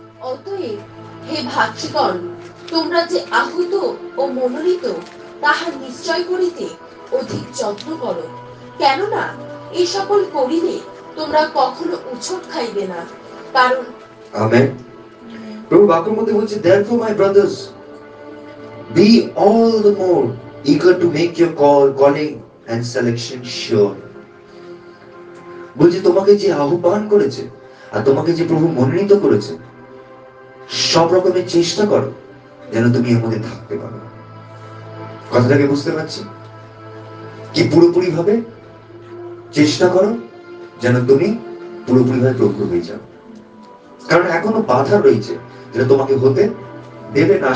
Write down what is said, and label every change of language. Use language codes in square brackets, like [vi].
[bn] অতএব হে ভাতৃগণ, তোমরা যে আহূত ও মনোনীত তাহা নিশ্চয় করিতে অধিক যত্ন করো, কেননা এ সকল করিলে তোমরা কখনো উচট খাইবে না, কারণ আমেন। প্রভু বাক্যের মধ্যে বলছে [en] Therefore my brothers, be all the more eager to make your call, calling and selection sure. [bn] বলছে তোমাকে যে আহ্বান করেছে আর তোমাকে যে প্রভু মনোনীত করেছে সব রকমের চেষ্টা করো যেন তুমি এর মধ্যে থাকতে পারো। কথাটাকে বুঝতে পারছি কি? পুরোপুরি ভাবে চেষ্টা করো যেন তুমি পুরোপুরি ভাবে যোগ্য হয়ে যাও, কারণ এখনো বাধা রয়েছে যেটা তোমাকে হতে দেবে না।